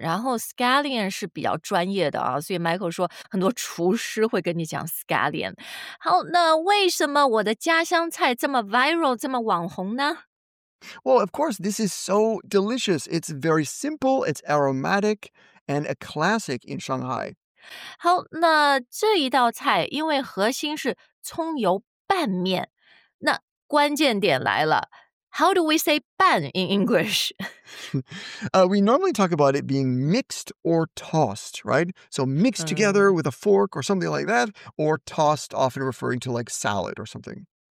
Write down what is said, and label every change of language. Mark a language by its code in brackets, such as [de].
[zh] 然后 scallion 是比较专业的啊，所以 Michael 说很多厨师会跟你讲 scallion。好，那为什么我的家乡菜这么 viral, 这么网红呢？ [en] Well, of course, this is so delicious. It's very simple, it's aromatic, and a classic in Shanghai. [zh] 好，那这一道菜因为核心是葱油拌面，那关键点来了。 [en] How do we say 拌 in English? We normally talk about it being mixed or tossed, right? So mixed together with a fork or something like that, or tossed, often referring to like salad or something.